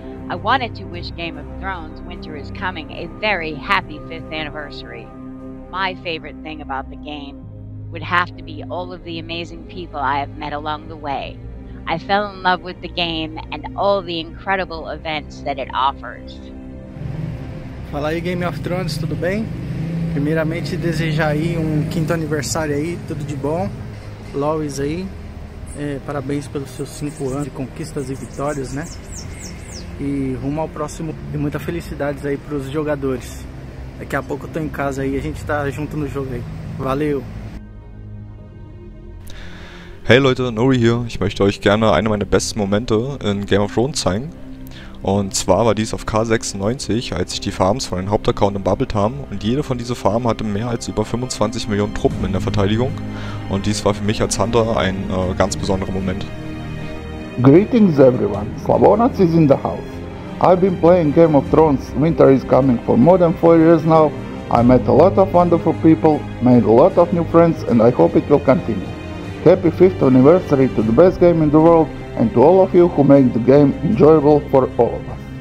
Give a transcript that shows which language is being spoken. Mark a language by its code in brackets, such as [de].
[en] I wanted to wish Game of Thrones Winter is Coming a very happy 5th anniversary. My favorite thing about the game would have to be all of the amazing people I have met along the way. I fell in love with the game and all the incredible events that it offers. [pt] Fala aí, Game of Thrones, tudo bem? Primeiramente, desejar aí um 5º aniversário aí, tudo de bom. Lois aí, parabéns pelos seus 5 anos de conquistas e vitórias, né? E rumo ao próximo, e muita felicidade aí para os jogadores. Daqui a pouco eu tô em casa aí, a gente tá junto no jogo aí. Valeu! [de] Hey Leute, Nori hier. Ich möchte euch gerne einen meiner besten Momente in Game of Thrones zeigen. Und zwar war dies auf K96, als sich die Farms von den Hauptaccounten bubbelt haben und jede von diesen Farmen hatte mehr als über 25 Millionen Truppen in der Verteidigung. Und dies war für mich als Hunter ein ganz besonderer Moment. [en] Greetings everyone, Slavonats is in the house. I've been playing Game of Thrones Winter is Coming for more than 4 years now. I met a lot of wonderful people, made a lot of new friends and I hope it will continue. Happy 5th anniversary to the best game in the world and to all of you who make the game enjoyable for all of us.